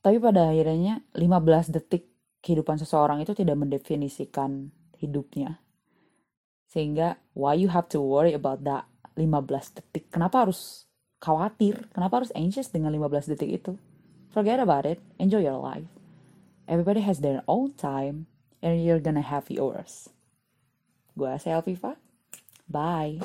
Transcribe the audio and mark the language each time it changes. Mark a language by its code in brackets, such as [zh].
[id] Tapi pada akhirnya 15 detik kehidupan seseorang itu tidak mendefinisikan hidupnya. Sehingga [en] why you have to worry about that 15 detik? [id] Kenapa harus khawatir? Kenapa harus anxious dengan 15 detik itu? [en] Forget about it, enjoy your life. Everybody has their own time, and you're gonna have yours. Gua Selfie Fa. Bye.